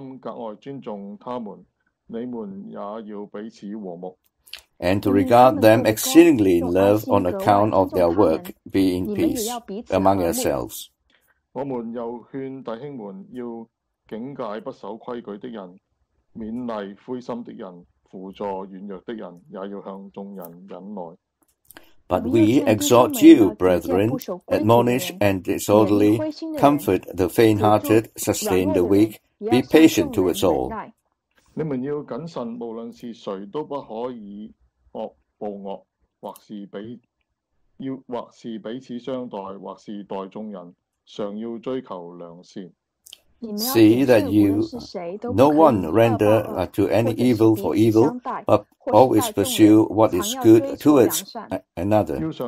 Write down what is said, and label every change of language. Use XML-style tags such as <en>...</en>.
<zh>又因他们所做的工,用爱心格外尊重他们, 你们也要彼此和睦。</zh> <en>And to regard them exceedingly in love on account of their work, be in peace among yourselves.</en> <zh>我们又劝弟兄们要警戒不守规矩的人, 勉励灰心的人,</zh> <en>But we exhort you, brethren, admonish and disorderly, comfort the faint-hearted, sustain the weak, be patient towards all.</en> <zh>你们要谨慎, 无论是谁都不可以恶报恶, 或是彼此相待, 或是待众人, 常要追求良善。</zh> <en>See that you, no one render to any evil for evil, but always pursue what is good towards another.</en>